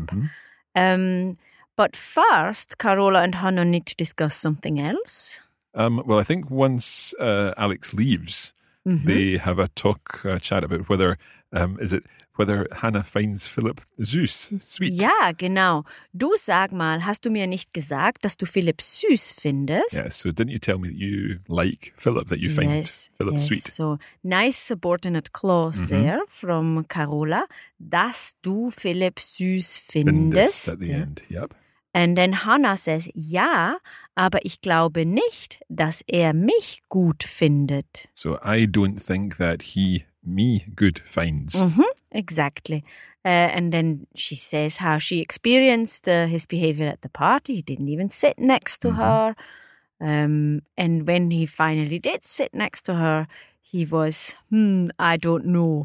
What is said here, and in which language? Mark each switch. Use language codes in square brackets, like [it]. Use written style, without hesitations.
[en] Mm-hmm. But first, Carola and Hannah need to discuss something else. Well, I think once Alex leaves, mm-hmm. they have a talk, a chat about whether Hannah finds Philip süß, sweet. [de] Ja, genau. Du sag mal, hast du mir nicht gesagt, dass du Philip süß findest? [en] Yes, so didn't you tell me that you like Philip, that you find yes, Philip yes. sweet? So nice subordinate clause mm-hmm. there from Carola, [de] dass du Philip süß findest. [en] At the end, yep. And then Hannah says, [de] ja, aber ich glaube nicht, dass er mich gut findet. [en] So I don't think that he me good finds. Mm-hmm, exactly. And then she says how she experienced his behavior at the party. He didn't even sit next to her. And when he finally did sit next to her, he was, I don't know.